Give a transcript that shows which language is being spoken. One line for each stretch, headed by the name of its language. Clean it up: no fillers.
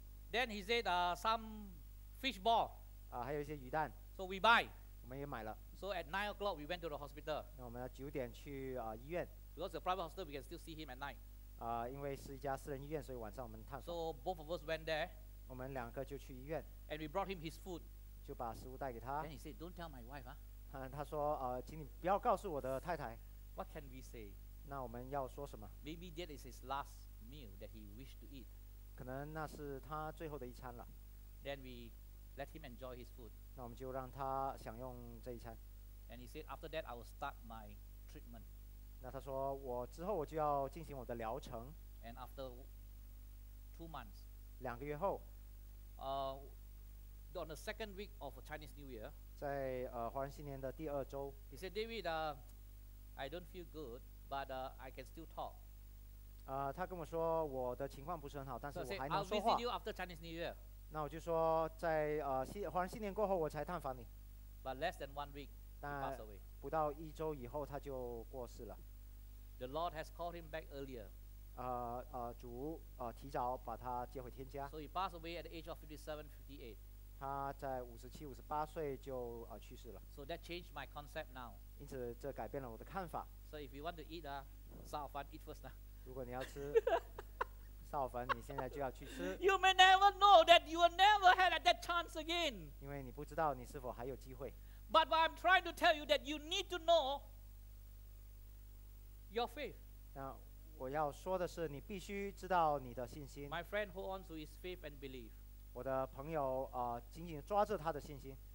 English: Then he said, some fish ball.
Chinese: 还有一些鱼蛋。
English: So we buy.
Chinese: 我们也买了。
English: So at 9 o'clock, we went to the hospital.
Chinese: 那我们要九点去医院。
English: Because it's a private hospital, we can still see him at night.
Chinese: 因为是一家私人医院，所以晚上我们探访。
English: So both of us went there.
Chinese: 我们两个就去医院
English: and we brought him his food.
Chinese: 就把食物带给他
English: Then he said, don't tell my wife, huh?
Chinese: 他说请你不要告诉我的太太
English: What can we say?
Chinese: 那我们要说什么
English: Maybe that is his last meal that he wished to eat.
Chinese: 可能那是他最后的一餐了
English: Then we let him enjoy his food.
Chinese: 那我们就让他享用这一餐
English: And he said, after that I will start my treatment.
Chinese: 那他说我之后我就要进行我的疗程
English: And after 2 months,
Chinese: 两个月后
English: on the second week of Chinese New Year,
Chinese: 在华人新年的第二周
English: he said, David, I don't feel good, but I can still talk.
Chinese: 他跟我说我的情况不是很好，但是我还能说话。
English: So I said, I'll visit you after Chinese New Year.
Chinese: 那我就说在华人新年过后我才探访你。
English: But less than 1 week, he passed away.
Chinese: 不到一周以后他就过世了。
English: The Lord has called him back earlier.
Chinese: 主提早把他接回天家。
English: So he passed away at the age of 57, 58.
Chinese: 他在57、58岁就去世了。
English: So that changed my concept now.
Chinese: 因此这改变了我的看法。
English: So if you want to eat,
Chinese: 烧饭
English: eat first.
Chinese: 如果你要吃烧饭，你现在就要去吃。
English: You may never know that you will never have that chance again.
Chinese: 因为你不知道你是否还有机会。
English: But what I'm trying to tell you that you need to know your faith.
Chinese: Now,我要说的是，你必须知道你的信心。
English: My friend hold on to his faith and belief.
Chinese: 我的朋友紧紧抓住他的信心。